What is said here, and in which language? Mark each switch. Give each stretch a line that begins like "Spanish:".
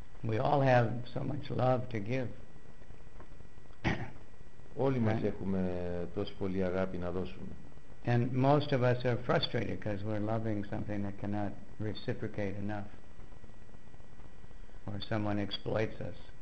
English: We all have so much love to give.
Greek: Όλοι μας έχουμε τόσο πολύ αγάπη να δώσουμε.
English: And most of us are frustrated because we're loving something that cannot reciprocate enough, or someone exploits us.